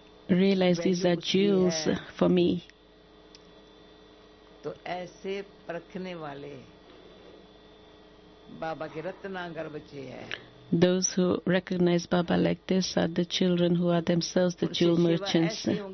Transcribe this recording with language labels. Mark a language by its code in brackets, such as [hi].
[en] Realize these are jewels for me. [hi] तो ऐसे परखने वाले बाबा के रत्नागर बच्चे हैं. [en] Those who recognize Baba like this are the children who are themselves the jewel merchants.